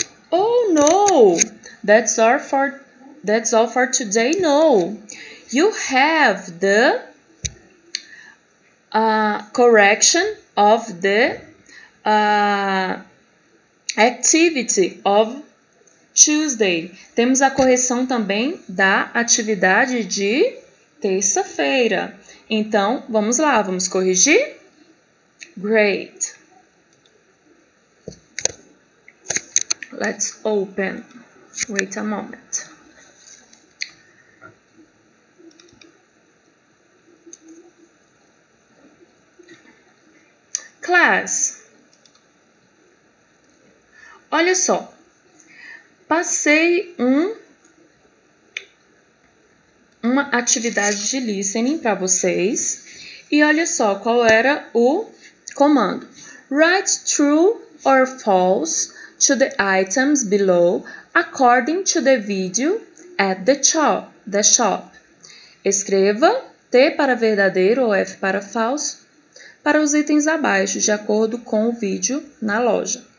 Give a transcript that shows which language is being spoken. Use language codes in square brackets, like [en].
[en] Oh no, that's all for today. No, you have the correction of the activity of Tuesday. [pt] Temos a correção também da atividade de terça-feira. Então, vamos lá, vamos corrigir? [en] Great. Let's open. Wait a moment. Class. [pt] Olha só. Passei uma atividade de listening para vocês. E olha só qual era o comando. [en] Write true or false to the items below according to the video at the shop. [pt] Escreva T para verdadeiro ou F para falso para os itens abaixo, de acordo com o vídeo na loja.